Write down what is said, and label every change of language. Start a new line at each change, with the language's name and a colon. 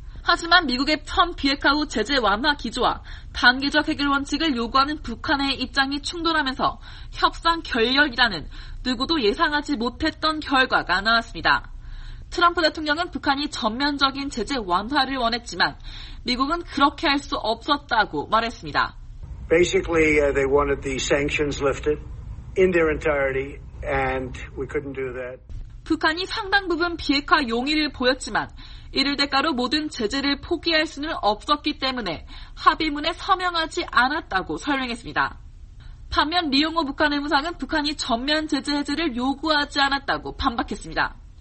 Korean: 하지만 미국의 편 비핵화 후 제재 완화 기조와 단계적 해결 원칙을 요구하는 북한의 입장이 충돌하면서 협상 결렬이라는 누구도 예상하지 못했던 결과가 나왔습니다. 트럼프 대통령은 북한이 전면적인 제재 완화를 원했지만 미국은 그렇게 할 수 없었다고 말했습니다.
English: Basically, they wanted the sanctions lifted in their entirety, and we couldn't do that.
Korean: 북한이 상당 부분 비핵화 용의를 보였지만 이를 대가로 모든 제재를 포기할 수는 없었기 때문에 합의문에 서명하지 않았다고 설명했습니다. 반면 리용호 북한 외무상은 북한이 전면 제재 해제를 요구하지 않았다고 반박했습니다.